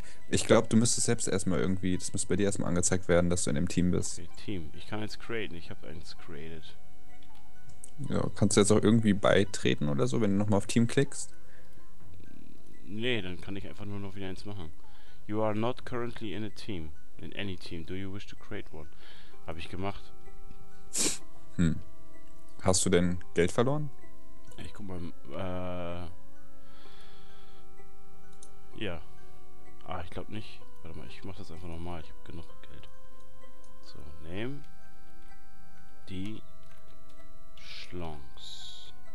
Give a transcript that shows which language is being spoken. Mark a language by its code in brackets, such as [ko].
[de] Ich glaube, du müsstest selbst erstmal irgendwie... Das müsste bei dir erstmal angezeigt werden, dass du in dem Team bist. Okay, Team. Ich kann jetzt createn. Ich habe eins created. Ja, kannst du jetzt auch irgendwie beitreten oder so, wenn du nochmal auf Team klickst? Nee, dann kann ich einfach nur noch wieder eins machen. [en] You are not currently in a team. In any team. Do you wish to create one? [de] Habe ich gemacht. Hm. Hast du denn Geld verloren? Ich guck mal. Ja. Ah, ich glaube nicht. Warte mal, ich mach das einfach nochmal. Ich habe genug Geld. So, name. Die Schlongs.